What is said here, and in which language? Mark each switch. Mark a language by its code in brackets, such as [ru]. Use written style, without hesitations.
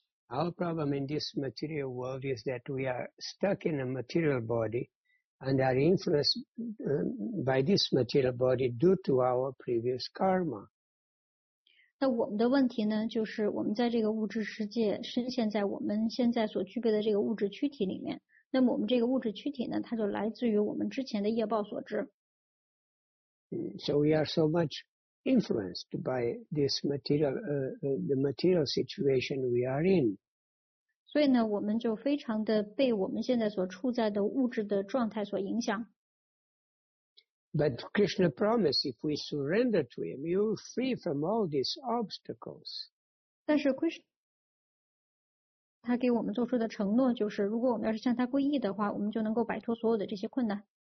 [en] Our problem in this material world is that we are stuck in a material body and are influenced by this material body due to our previous karma. [zh] 那我们的问题呢，就是我们在这个物质世界深陷在我们现在所具备的这个物质躯体里面，那么我们这个物质躯体呢，它就来自于我们之前的业报所致。 [en] So we are so much influenced by this material, the material situation we are in. [zh] 所以呢，我们就非常的被我们现在所处在的物质的状态所影响。 [en] But Krishna promised if we surrender to him, you're free from all these obstacles. [zh] 但是 Krishna 他给我们做出的承诺就是如果我们要是向他皈依的话我们就能够摆脱所有的这些困难。